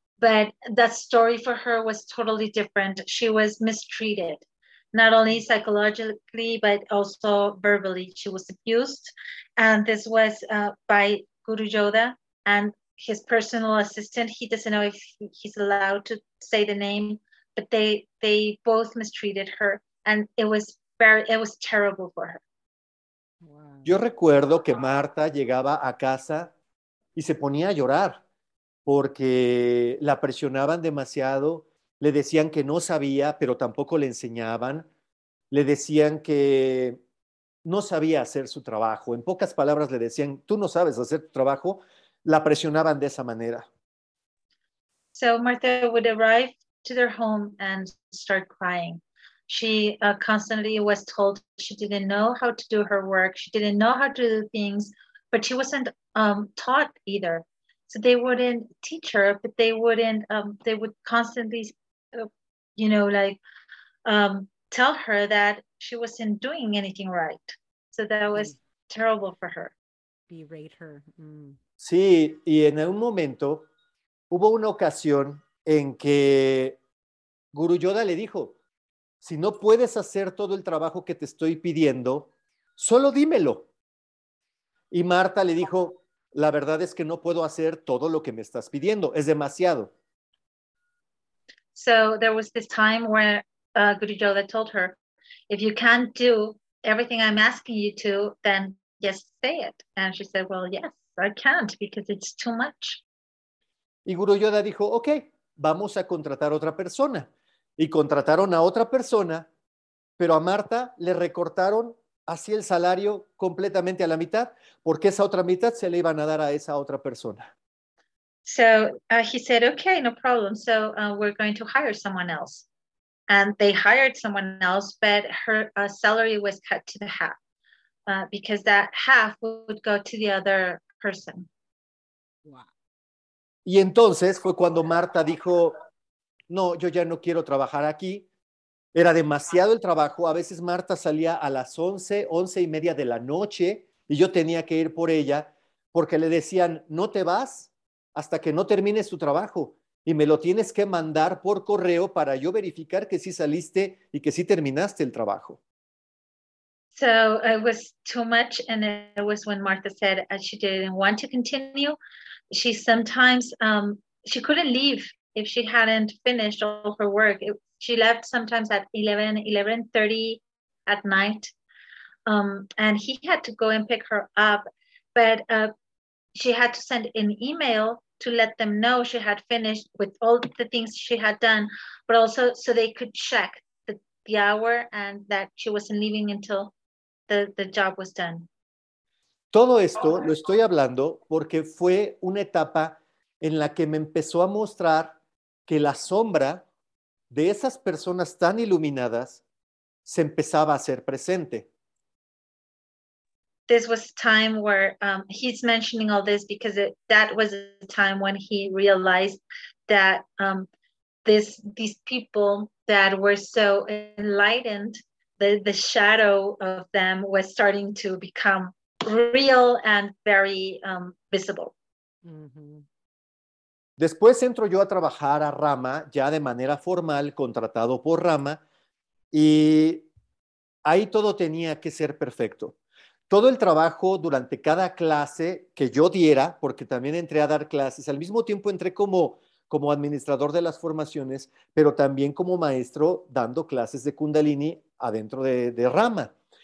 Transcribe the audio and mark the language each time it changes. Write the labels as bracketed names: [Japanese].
[English] But that story for her was totally different. She was mistreated, not only psychologically, but also verbally. She was abused. And this was by Guru Yoda and his personal assistant. He doesn't know if he's allowed to say the name, but they both mistreated her. And it was terrible for her. Wow. [Spanish] Yo recuerdo que Marta llegaba a casa y se ponía a llorar porque la presionaban demasiado, le decían que no sabía, pero tampoco le enseñaban, le decían que no sabía hacer su trabajo. En pocas palabras le decían, tú no sabes hacer tu trabajo, la presionaban de esa manera. [English] So Marta would arrive to their home and start crying. She constantly was told she didn't know how to do her work, she didn't know how to do things, but she wasn't taught either. So they wouldn't teach her, but they wouldn't, they would constantly, you know, like tell her that she wasn't doing anything right. So that was terrible for her. Berate her. Mm. [Spanish] Sí, y en un momento hubo una ocasión en que Guru Yoda le dijo, si no puedes hacer todo el trabajo que te estoy pidiendo, solo dímelo. Y Marta le dijo, la verdad es que no puedo hacer todo lo que me estás pidiendo. Es demasiado. [English] So there was this time where Guru Yoda told her, if you can't do everything I'm asking you to, then just say it. And she said, well, yes, I can't because it's too much. [Spanish] Y Guru Yoda dijo, ok, vamos a contratar a otra persona. Y contrataron a otra persona, pero a Marta le recortaron así el salario completamente a la mitad, porque esa otra mitad se le iban a dar a esa otra persona. [English] So he said, okay, no problem. So we're going to hire someone else. And they hired someone else, but her salary was cut to the half because that half would go to the other person. Wow. [Spanish] Y entonces fue cuando Marta dijo, no, yo ya no quiero trabajar aquí. Era demasiado el trabajo. A veces Marta salía a las 11, 11 y media de la noche y yo tenía que ir por ella porque le decían, no te vas hasta que no termines tu trabajo y me lo tienes que mandar por correo para yo verificar que sí saliste y que sí terminaste el trabajo. [English] So it was too much, and it was when Marta said she didn't want to continue. She sometimes, she couldn't leave if she hadn't finished all her work. She left sometimes at 11:30 at night, and he had to go and pick her up, but she had to send an email to let them know she had finished with all the things she had done, but also so they could check the hour and that she wasn't leaving until the job was done. [Spanish] Todo esto lo estoy hablando porque fue una etapa en la que me empezó a mostrar que la sombra de esas personas tan iluminadas se empezaba a hacer presente. [English] This was a time where he's mentioning all this because that was a time when he realized that these people that were so enlightened, the shadow of them was starting to become real and very visible. Mm-hmm. [Spanish] Después entro yo a trabajar a Rama, ya de manera formal, contratado por Rama, y ahí todo tenía que ser perfecto. Todo el trabajo durante cada clase que yo diera, porque también entré a dar clases, al mismo tiempo entré como administrador de las formaciones, pero también como maestro dando clases de Kundalini adentro de Rama.